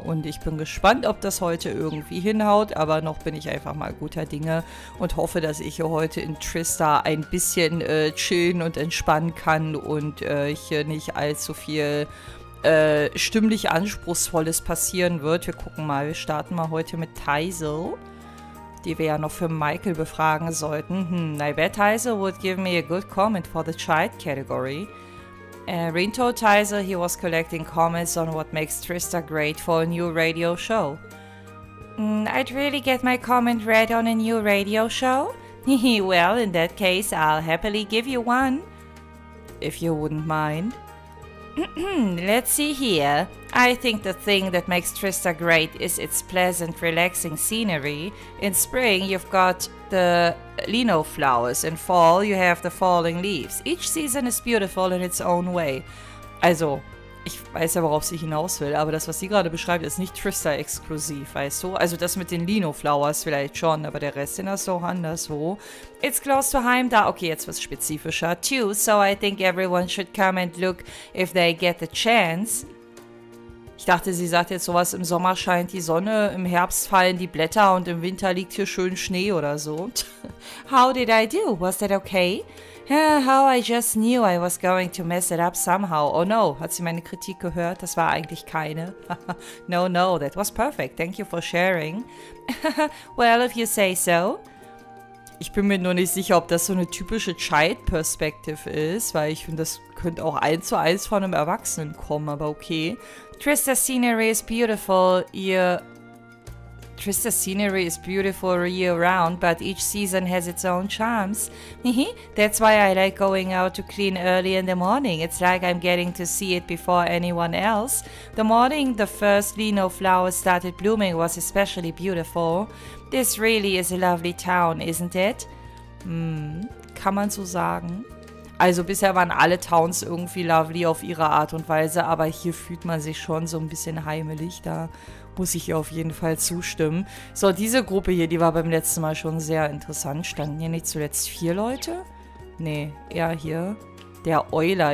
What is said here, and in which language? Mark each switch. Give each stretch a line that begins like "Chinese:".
German: Und ich bin gespannt, ob das heute irgendwie hinhaut, aber noch bin ich einfach mal guter Dinge und hoffe, dass ich hier heute in Trista ein bisschen chillen und entspannen kann und hier nicht allzu viel stimmlich Anspruchsvolles passieren wird. Wir gucken mal, wir starten mal heute mit Tysel, die wir ja noch für Michael befragen sollten.
English: I bet Tysel would give me a good comment for the child category. Rin told Tysel he was collecting comments on what makes Trista great for a new radio show. I'd really get my comment read on a new radio show? Well, in that case, I'll happily give you one. If you wouldn't mind. Let's see here. I think the thing that makes Trista great is its pleasant, relaxing scenery. In spring, you've got the lino flowers. In fall, you have the falling leaves. Each season is beautiful in its own way.
German: Also, ich weiß ja, worauf sie hinaus will, aber das, was sie gerade beschreibt, ist nicht Trista-exklusiv, weißt du? Also das mit den Lino-Flowers vielleicht schon, aber der Rest in der Song anderswo.
English: It's close to Heim da.
German: Okay, jetzt was spezifischer.
English: Too, so I think everyone should come and look if they get the chance.
German: Ich dachte, sie sagt jetzt sowas, im Sommer scheint die Sonne, im Herbst fallen die Blätter und im Winter liegt hier schön Schnee oder so.
English: How did I do? Was that okay? How I just knew I was going to mess it up somehow.
German: Oh no, hat sie meine Kritik gehört? Das war eigentlich keine.
English: No, no, that was perfect. Thank you for sharing. Well, if you say so.
German: Ich bin mir nur nicht sicher, ob das so eine typische Child-Perspektive ist, weil ich finde, das könnte auch 1:1 von einem Erwachsenen kommen, aber okay.
English: Trista's scenery is beautiful. Trista's scenery is beautiful year-round, but each season has its own charms. That's why I like going out to clean early in the morning. It's like I'm getting to see it before anyone else. The morning the first lino flowers started blooming was especially beautiful. This really is a lovely town, isn't it?
German: Kann man so sagen. Also bisher waren alle Towns irgendwie lovely auf ihre Art und Weise, aber hier fühlt man sich schon so ein bisschen heimelig. Da muss ich ihr auf jeden Fall zustimmen. So, diese Gruppe hier, die war beim letzten Mal schon sehr interessant. Standen hier nicht zuletzt 4 Leute? Nee, eher hier. Der Euler.